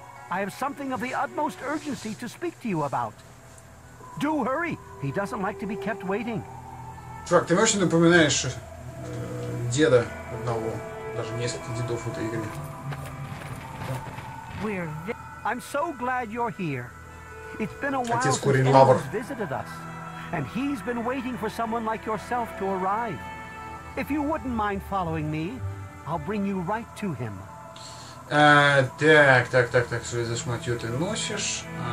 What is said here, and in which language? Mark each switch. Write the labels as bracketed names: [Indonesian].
[English] I have something of the utmost urgency to speak to you about. Do hurry. He doesn't like to be kept waiting. [Russian] Чувак, ты очень напоминаешь деда одного, даже нескольких дедов в этой игре. [English] I'm so glad you're here. It's been a while since you visited us, and he's been waiting for someone like yourself to arrive. If you wouldn't mind following me. I'll bring you right to him. [Russian] Так, что за шматье ты носишь?